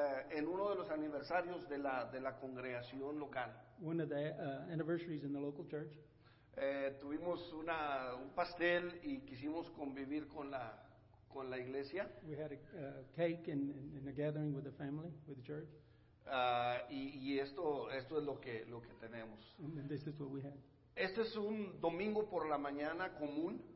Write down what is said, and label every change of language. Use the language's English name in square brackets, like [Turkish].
[Spanish] En uno de los aniversarios de la congregación local. [English] One of the anniversaries in the local church. [Spanish] Tuvimos un pastel y quisimos convivir con la iglesia. [English] We had a cake and a gathering with the family, with the church. [Spanish] Y esto es lo que tenemos. [English] And this is what we had. [Spanish] Este es un domingo por la mañana común.